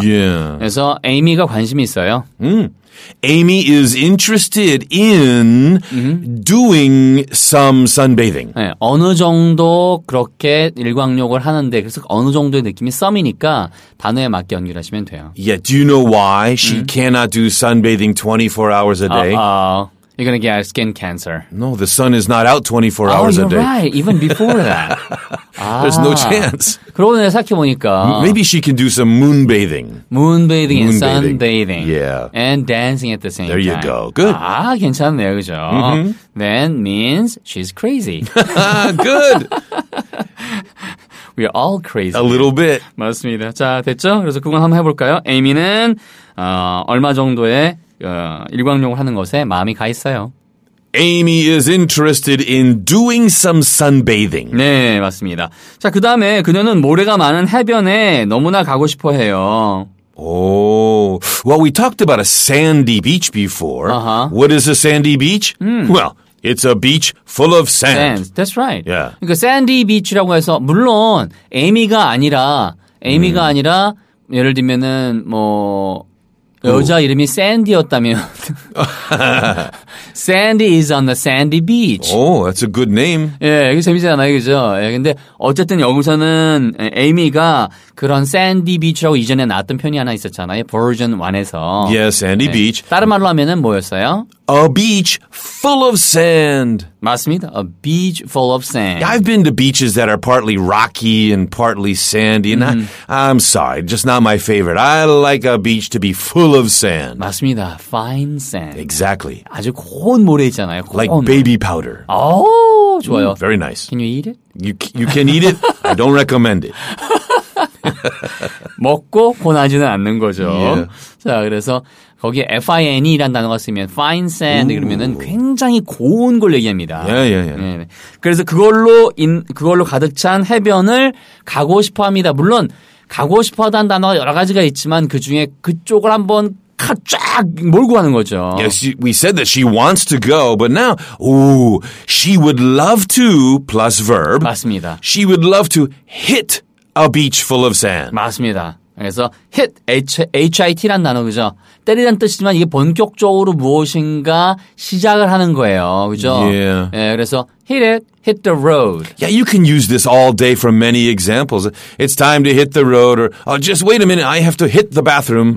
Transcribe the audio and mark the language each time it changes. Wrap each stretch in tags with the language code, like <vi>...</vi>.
<en>Yeah.</en> <ko>그래서 Amy가 관심이 있어요.</ko> <en>Amy is interested in doing some sunbathing.</en> <ko>네, 어느 정도 그렇게 일광욕을 하는데 그래서 어느 정도의 느낌이 썸이니까 단어에 맞게 연결하시면 돼요.</ko> <en>Yeah, do you know why she cannot do sunbathing 24 hours a day? You're going to get skin cancer. No, the sun is not out 24 hours a day. Oh, you're right. Even before that. There's no chance.</en> <ko>그러고 내가 생각해보니까.</ko> <en>Maybe she can do some moonbathing. Moonbathing and sunbathing. Yeah. And dancing at the same time. There you go. Good.</en> <ko>아, 괜찮네요. 그죠?</ko> <en>Then means she's crazy. Good. We are all crazy. A little bit.</en> <ko>맞습니다. 자, 됐죠? 그래서 그건 한번 해볼까요? Amy는 얼마 정도의 일광욕을 하는 것에 마음이 가 있어요.</ko> <en>Amy is interested in doing some sunbathing.</en> <ko>네, 맞습니다. 자, 그 다음에 그녀는 모래가 많은 해변에 너무나 가고 싶어 해요.</ko> <en>Well, we talked about a sandy beach before. Uh-huh. What is a sandy beach? Well, it's a beach full of sand. Sand. That's right. Yeah.</en> <ko>그러니까 sandy beach라고 해서, 물론, Amy가 아니라, Amy가 아니라, 예를 들면은, 뭐, 여자 이름이 샌디였다면</ko> <en>Sandy is on the sandy beach. Oh, that's a good name.</en> <ko>예, 이게 재밌지 않아요, 그죠? 예, 근데 어쨌든 여기서는 에이미가 그런 샌디 비치라고 이전에 나왔던 편이 하나 있었잖아요. Version 1에서.</ko> <en>Yeah, sandy beach.</en> <ko>다른 말로 하면은 뭐였어요?</ko> <en>A beach full of sand.</en> <ko>맞습니다.</ko> <en>A beach full of sand. I've been to beaches that are partly rocky and partly sandy. And I'm sorry, just not my favorite. I like a beach to be full of sand.</en> <ko>맞습니다.</ko> <en>Fine sand. Exactly.</en> <ko>아주 고운 모래 있잖아요. 고운</ko> <en>like</en> <ko>모래.</ko> <en>Baby powder.</en> <ko>오, 좋아요.</ko> <en>Very nice. Can you eat it? You can eat it. I don't recommend it.</en> <ko>먹고 권하지는 않는 거죠.</ko> <en>Yeah.</en> <ko>자, 그래서 거기에 fine이라는 단어가 쓰이면 fine sand 그러면은 굉장히 고운 걸 얘기합니다.</ko> <en>Yeah, yeah, yeah.</en> <ko>네. 그래서 그걸로 가득 찬 해변을 가고 싶어 합니다. 물론 가고 싶어 하다는 단어가 여러 가지가 있지만 그 중에 그쪽을 한번 쫙 몰고 가는 거죠.</ko> <en>Yes, we said that she wants to go, but now, she would love to plus verb.</en> <ko>맞습니다.</ko> <en>She would love to hit a beach full of sand.</en> <ko>맞습니다. 그래서 hit, H-I-T라는 단어, 그죠? 때리란 뜻이지만 이게 본격적으로 무엇인가 시작을 하는 거예요. 그죠?</ko> <en>Yeah.</en> <ko>예. 그래서</ko> <en>hit it, hit the road. Yeah, you can use this all day for many examples. It's time to hit the road or oh, just wait a minute, I have to hit the bathroom.</en>